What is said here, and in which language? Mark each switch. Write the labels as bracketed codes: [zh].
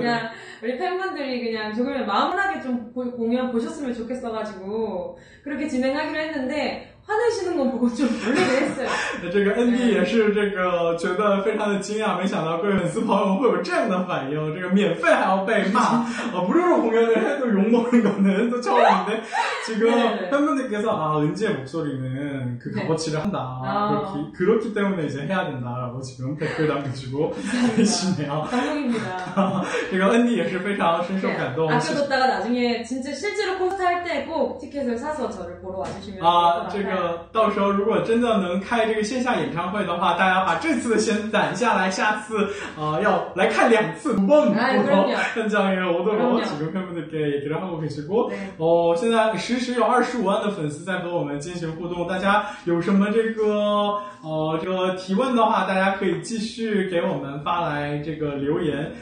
[ko] 그냥 우리 팬분들이 그냥 조금 마음하게 좀 공연 보셨으면 좋겠어가지고 그렇게 진행하기로 했는데 화내시는 건 보고 좀 놀리게 했어요. [zh] 제가 恩迪也是这个觉得非常的惊讶，没想到各位粉丝朋友们会有这样的反应。这个免费还要被骂，不是说 [ko] 공연을 해도 욕먹는 거는 또 처음인데 지금 네네. 팬분들께서 아 은지의 목소리는 그 값어치를 한다. 그렇기 때문에 이제 해야 된다라고 지금 댓글 남겨주고 계시네요. 감동입니다. 제가 [zh] 恩迪也是非常深受感动。 [ko] 아쉬웠다가 나중에 진짜 실제로 콘서트 할 때 꼭 티켓을 사서 저를 보러 와주시면 좋겠습니다. [zh] 到时候如果真的能开这个线下演唱会的话，大家把这次的先攒下来，下次要来看两次。蹦哎，对了， [ko] 현장에오도록지금팬분들께얘기를하고계시고， [zh] 现在实时有25万的粉丝在和我们进行互动，大家有什么这个提问的话，大家可以继续给我们发来这个留言。